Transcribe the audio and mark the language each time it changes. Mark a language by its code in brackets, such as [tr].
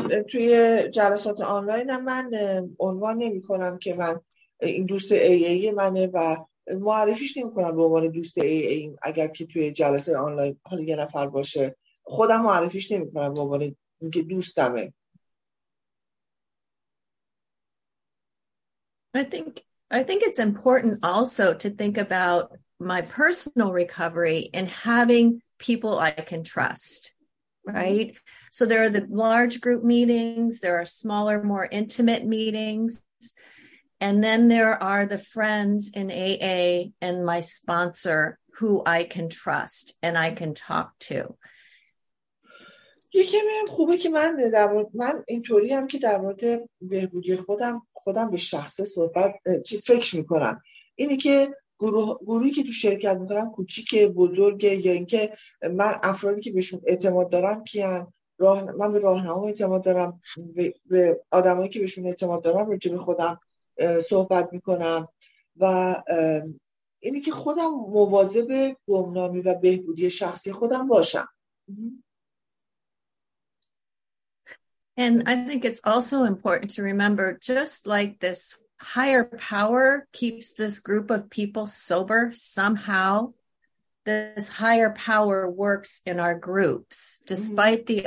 [fa] توی جلسات آنلاین من عنوان نمی کنم که من این دوست AA منه و معرفیش نمی کنم به عنوان دوست AA اگر که توی جلسه آنلاین حالا یه نفر باشه خودم معرفیش نمی کنم به عنوان اینکه دوستمه. [en] I think it's important also to think about my personal recovery and having people I can trust, right? So there are the large group meetings, there are smaller, more intimate meetings, and then there are the friends in AA and my sponsor who I can trust and I can talk to. [fa] یکی هم خوبه که من اینطوری هم که در مورد بهبودی خودم به شخص صحبت چی فکر میکنم اینی که گروهی که تو شرکت میکنم کوچیکه بزرگه یا اینکه من افرادی که بهشون اعتماد دارم کیان من به راهنما اعتماد دارم به آدمایی که بهشون اعتماد دارم راجع به خودم صحبت میکنم و اینی که خودم مواظب گمنامی و بهبودی شخصی خودم باشم. [en] And I think it's also important to remember, just like this higher power keeps this group of people sober somehow, this higher power works in our groups, despite mm-hmm.